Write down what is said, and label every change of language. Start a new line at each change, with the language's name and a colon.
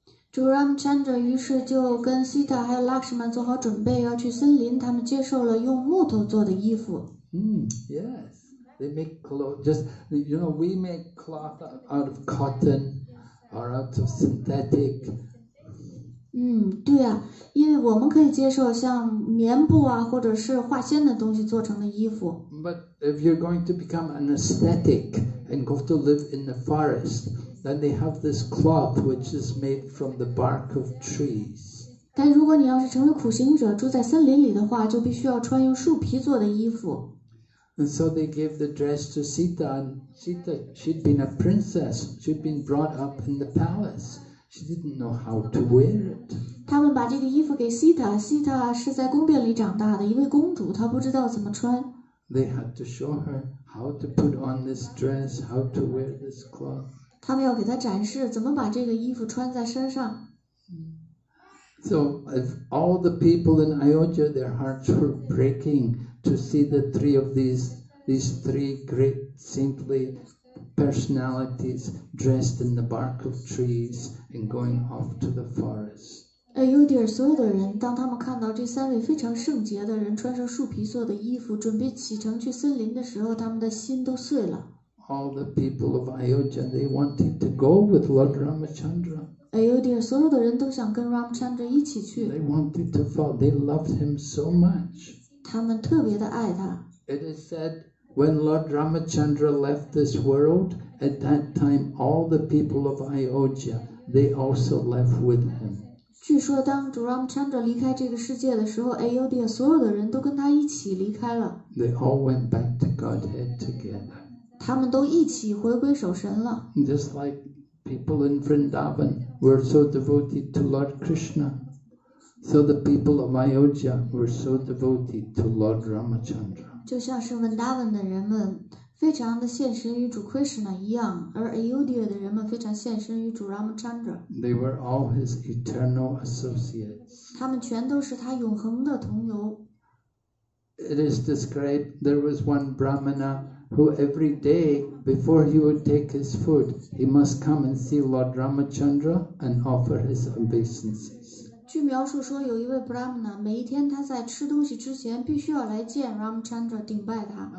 Chinese: 主 Ramachandra 于是就跟 Sita 还有 Lakshman 做好准备要去森林，他们接受了用木头做的衣服。
English: Yes, they make clothes. Just, you know, we make cloth out of cotton or out of synthetic.
Chinese: 对啊，因为我们可以接受像棉布啊，或者是化纤的东西做成的衣服。
English: But if you're going to become an aesthetic and go to live in the forest, then they have this cloth which is made from the bark of trees.
Chinese: 但如果你要是成为苦行者，住在森林里的话，就必须要穿用树皮做的衣服。
English: And so they gave the dress to Sita, and Sita, she'd been a princess, she'd been brought up in the palace. She didn't know how to wear it.
Chinese: 他们把这个衣服给 Sita. Sita 是在宫殿里长大的一位公主，她不知道怎么穿。
English: They had to show her how to put on this dress, how to wear this cloth.
Chinese: 他们要给她展示怎么把这个衣服穿在身上。
English: So if all the people in Ayodhya, their hearts were breaking to see the three of these three great saintly personalities dressed in the bark of trees. And going off to the forest.
Chinese: Ayodhya, 所有的人，当他们看到这三位非常圣洁的人穿上树皮做的衣服，准备启程去森林的时候，他们的心都碎了。
English: All the people of Ayodhya, they wanted to go with Lord Ramachandra.
Chinese: Ayodhya, 所有的人都想跟 Ramachandra 一起去。
English: They wanted to follow. They loved him so much.
Chinese: 他们特别的爱他。
English: It is said when Lord Ramachandra left this world, at that time, all the people of Ayodhya. They also left with him.
Chinese: 据说当主 Ramachandra 离开这个世界的时候 Ayodhya 所有的人都跟他一起离开了。
English: They all went back to Godhead together.
Chinese: 他们都一起回归守神了。
English: Just like people in Vrindavan were so devoted to Lord Krishna, so the people of Ayodhya were so devoted to Lord Ramachandra.
Chinese: 就像是 Vrindavan 的人们非常的献身于主 Krishna 一样，而 Ayodhya 的人们非常献身于主 Ramachandra。
English: They were all his eternal associates.
Chinese: 他们全都是他永恒的同游。
English: It is described there was one Brahmana who every day before he would take his food, he must come and see Lord Ramachandra and offer his obeisances.
Chinese: 据描述说，有一位 Brahmana， 每一天他在吃东西之前必须要来见 Ramachandra， 顶拜他。